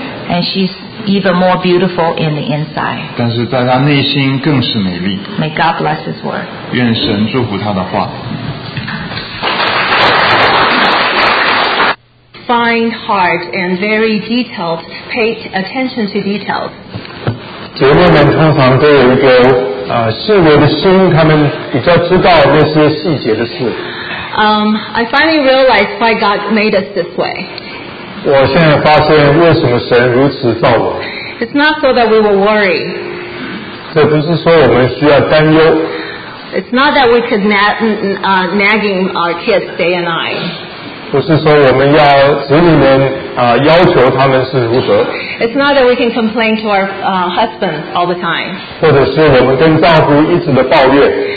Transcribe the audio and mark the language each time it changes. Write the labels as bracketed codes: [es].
[en] And she's even more beautiful in the inside. [zh] 但是在她内心更是美丽。 [en] May God bless His word. [zh] 愿神祝福她的话。 [en] Fine heart and very detailed. Pay attention to details. [zh] 姐妹们通常都有一个细微的心，她们比较知道那些细节的事。 [en] I finally realized why God made us this way. [zh] 我现在发现为什么神如此造我。 [en] It's not so that we will worry. [zh] 这不是说我们需要担忧。 [en] It's not that we could nagging our kids day and night. [zh] 不是说我们要子女们要求他们是如何。 [en] It's not that we can complain to our husbands all the time. [zh] 或者是我们跟丈夫一直的抱怨。